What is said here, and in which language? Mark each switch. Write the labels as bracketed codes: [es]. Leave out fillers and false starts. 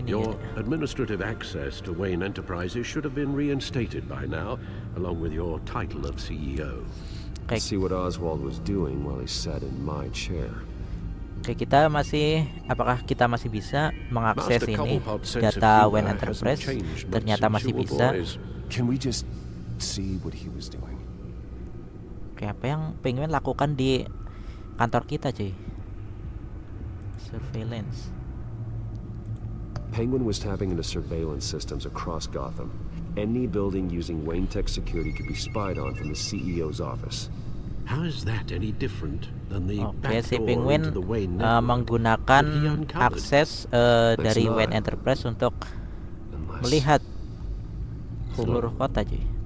[en] Your administrative access to Wayne Enterprises should have been reinstated by now, along with your title of CEO. Okay. See what Oswald was doing while he sat in my chair. [id] Oke, kita masih, apakah kita masih bisa mengakses ini data Wayne Enterprise? Ternyata masih bisa. [en] Can we just see what he was doing? [id] Oke, apa yang Penguin lakukan di kantor kita, cuy? Surveillance. [en] Penguin was tapping into surveillance systems across Gotham. Any building using Wayne Tech security could be spied on from the CEO's office. How is that any different than the [id] Penguin menggunakan akses dari Wayne Enterprise untuk melihat seluruh kota, cuy.